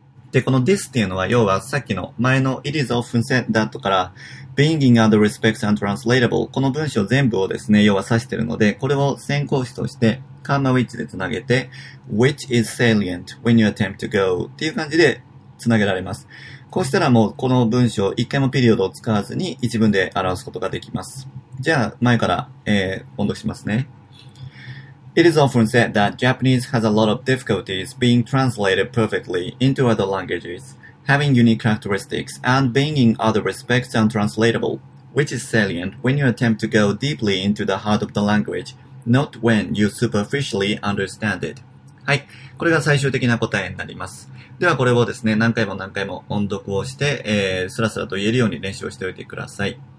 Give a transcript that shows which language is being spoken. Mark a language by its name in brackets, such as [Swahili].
[Japanese] で、この [English] this [Japanese] っていうのは、要はさっきの前の [English] it is often said that [Japanese] から、 [English] being in other respects untranslatable [Japanese] この文章全部をですね、要は指しているので、これを先行詞として、カンマウィッチでつなげて、 [English] which is salient when you attempt to go [Japanese] っていう感じでつなげられます。こうしたらもうこの文章、一回もピリオドを使わずに一文で表すことができます。じゃあ、前から、音読しますね。 [English] It is often said that Japanese has a lot of difficulties being translated perfectly into other languages, having unique characteristics, and being in other respects untranslatable, which is salient when you attempt to go deeply into the heart of the language, not when you superficially understand it. [Japanese] はい。これが最終的な答えになります。では、これをですね、何回も何回も音読をして、スラスラと言えるように練習をしておいてください。